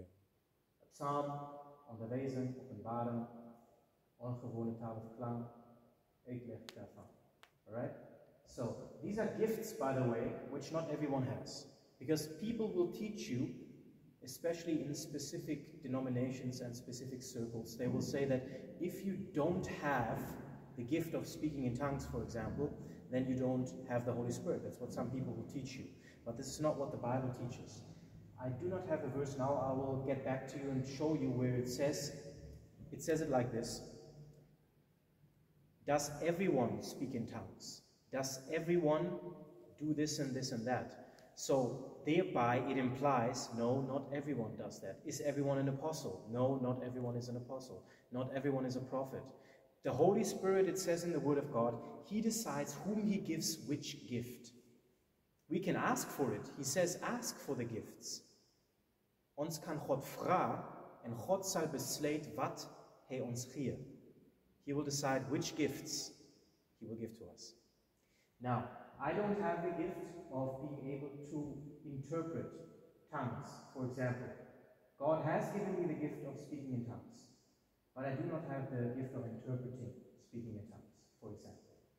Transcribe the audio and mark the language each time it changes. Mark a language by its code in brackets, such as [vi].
[af] A psalm, onderwijzing, openbaring, ongewone taal of klang, uitleg daarvan. [en] Alright? So these are gifts, by the way, which not everyone has. Because people will teach you, especially in specific denominations and specific circles, they will say that if you don't have the gift of speaking in tongues, for example, then you don't have the Holy Spirit. That's what some people will teach you. But this is not what the Bible teaches. I do not have a verse now. I will get back to you and show you where it says. It says it like this. Does everyone speak in tongues? Does everyone do this and this and that? So thereby it implies, no, not everyone does that. Is everyone an apostle? No, not everyone is an apostle. Not everyone is a prophet. The Holy Spirit, it says in the Word of God, He decides whom He gives which gift. We can ask for it. He says, ask for the gifts. [af] Ons kan God vra, en God sal besluit wat hy ons gee. [en] He will decide which gifts He will give to us. Now, I don't have the gift of being able to interpret tongues, for example. God has given me the gift of speaking in tongues, but I do not have the gift of interpreting speaking in tongues, for example.